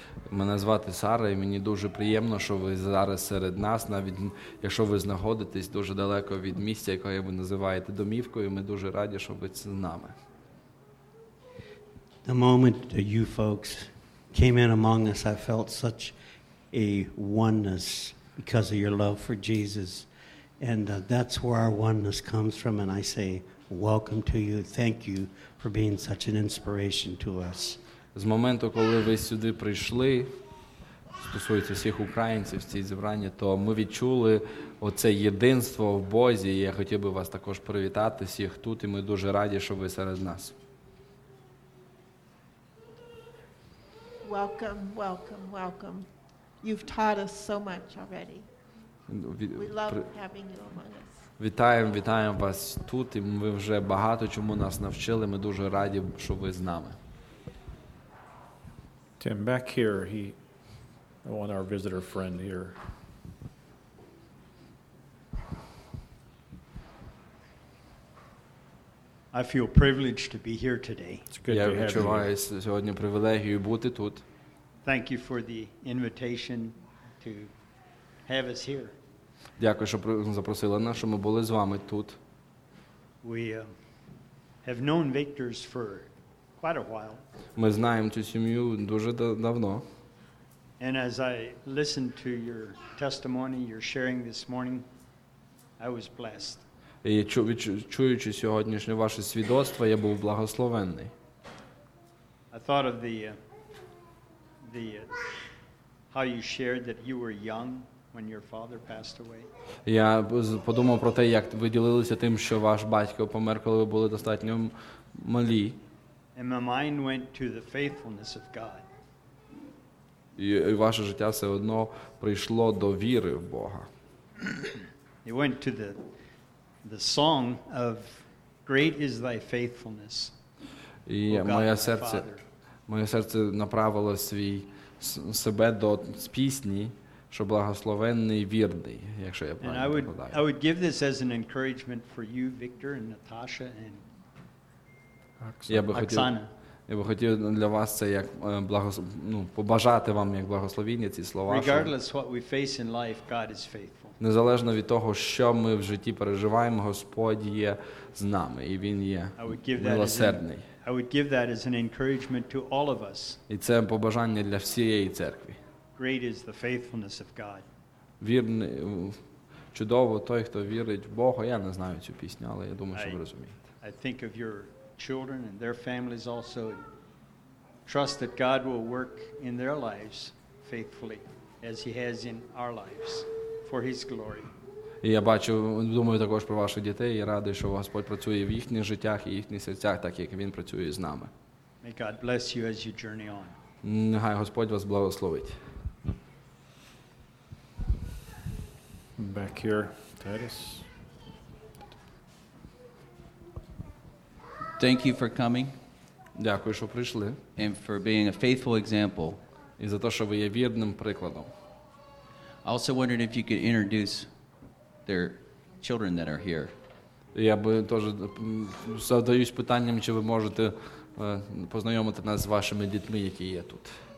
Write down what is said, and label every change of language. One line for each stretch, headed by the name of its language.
Ukrainian: Мене звати Сара, і мені дуже приємно, що ви зараз серед нас, навіть якщо ви знаходитесь дуже далеко від місця, яке ви називаєте домівкою, ми дуже раді, що ви з нами.
English: The moment that you folks came in among us, I felt such a oneness because of your love for Jesus, and that's where our oneness comes from. And I say, welcome to you. Thank you for being such an inspiration to us.
Ukrainian: З моменту, коли ви сюди прийшли, стосується всіх українців в цій зібранні, то ми відчули оце єдинство в Бозі. Я хотів би вас також привітати всіх тут, і ми дуже раді, що ви серед нас.
English: Welcome. You've taught us so much already. We love having you among us.
Ukrainian: Вітаємо вас тут, і ви вже багато чому нас навчили. Ми дуже раді, що ви з нами.
English: Tim, back here, I want our visitor friend here. I feel privileged to be here today.
Ukrainian: Я відчуваю сьогодні привілегію бути тут.
English: Thank you for the invitation to have us here.
Ukrainian: Дякую, що запросили нас, що ми були з вами тут.
English: We have known Victor's for quite a while.
Ukrainian: Ми знаємо цю сім'ю дуже давно.
English: And as I listened to your testimony you're sharing this morning, I was blessed.
Ukrainian: І чуючи сьогоднішнє ваше свідоцтво, я був благословений.
English: I thought of how you shared that you were young when your father passed away.
Ukrainian: Я подумав про те, як ви ділилися тим, що ваш батько помер, коли ви були достатньо малі.
English: And my mind went to the faithfulness of God.
Ukrainian: І ваше життя все одно прийшло до віри в Бога.
English: It went to the song of great is thy faithfulness.
Ukrainian: І моє серце направило себе до пісні, що благословенний, вірний, якщо я правильно перекладаю.
English: I would give this as an encouragement for you, Victor and Natasha and Оксана.
Ukrainian: Я би хотів для вас це як побажати вам як благословіння ці слова.
English: Regardless what we face in life, God is faithful.
Ukrainian: Незалежно від того, що ми в житті переживаємо, Господь є з нами, і він є милосердний.
English: I would give that as an encouragement to all of us.
Ukrainian: І це побажання для всієї церкви.
English: Great is the faithfulness of God.
Ukrainian: Вірний, чудово той, хто вірить в Бога. Я не знаю цю пісню, але я думаю, що ви розумієте.
English: I think of your children and their families also. Trust that God will work in their lives faithfully as he has in our lives for his glory.
Ukrainian: І я бачу, думаю також про ваших дітей і радий, що Господь працює в їхніх життях і їхніх серцях, так як він працює з нами.
English: May God bless you as you journey on.
Ukrainian: Нехай Господь вас благословить.
English: Back here, Titus. Thank you for coming.
Ukrainian: Дякую, що прийшли.
English: And for being a faithful example.
Ukrainian: І за те, що ви є вірним прикладом.
English: I also wondered if you could introduce their children that are here.
Ukrainian: Я би теж задаюсь питанням, чи ви можете познайомити нас з вашими дітьми, які є тут.